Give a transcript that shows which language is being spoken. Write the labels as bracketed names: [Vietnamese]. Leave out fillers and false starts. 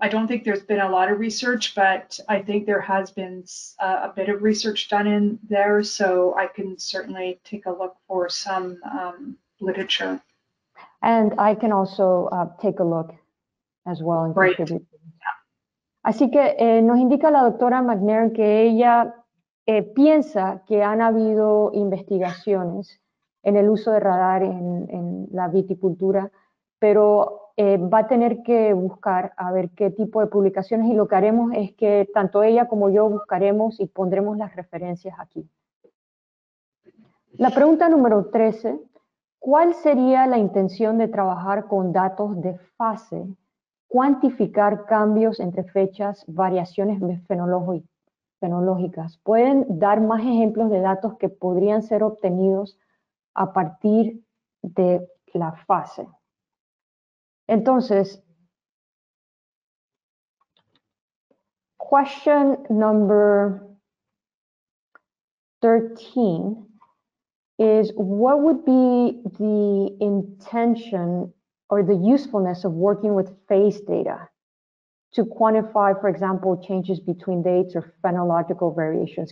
[English] I don't think there's been a lot of research, but I think there has been a bit of research done in there. So I can certainly take a look for some literature. And I can also take a look as well and Great. Contribute. Yeah. [Spanish] Así que nos indica la doctora McNair que ella piensa que han habido investigaciones en el uso de radar en la viticultura. Pero va a tener que buscar a ver qué tipo de publicaciones y lo que haremos es que tanto ella como yo buscaremos y pondremos las referencias aquí. La pregunta número 13, ¿Cuál sería la intención de trabajar con datos de fase, cuantificar cambios entre fechas, variaciones fenológicas? ¿Pueden dar más ejemplos de datos que podrían ser obtenidos a partir de la fase? [English] Entonces, question number 13 is, what would be the intention or the usefulness of working with phase data to quantify, for example, changes between dates or phenological variations?